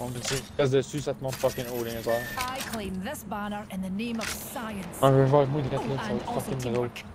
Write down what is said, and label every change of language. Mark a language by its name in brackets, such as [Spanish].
[French] On me dit, reste dessus, ça te montre fucking haut, les gars. [English] I claim this banner in the name of science. [French] On veut voir moi, ça va être fucking drôle.